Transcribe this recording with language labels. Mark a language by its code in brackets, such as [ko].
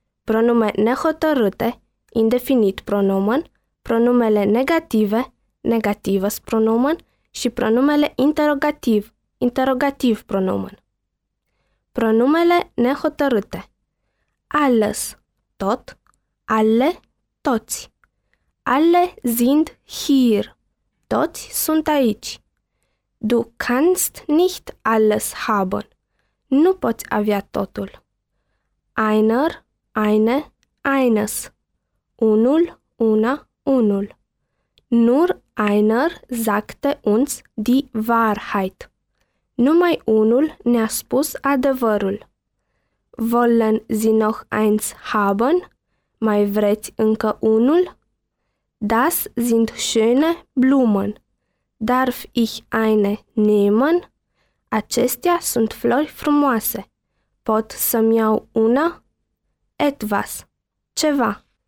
[ro] Pronume nehotărâte, indefinit pronomen, pronumele negative, negativus pronomen și pronumele interrogativ, interrogativ pronomen. Pronumele nehotărâte. Alles, tot, alle, toți. [de] Alle sind hier, [ro] toți sunt aici. [de] Du kannst nicht alles haben, [ro] nu poți avea totul. [de] Einer, eine, eines. [ro] Unul, una, unul. [de] Nur einer sagte uns die Wahrheit. [ro] Numai unul ne-a spus adevărul. [de] Wollen Sie noch eins haben? [ro] Mai vreți încă unul? [de] Das sind schöne Blumen. Darf ich eine nehmen? [ro] Acestea sunt flori frumoase. Pot să-mi iau una? [de] Etwas. [ro] Ceva.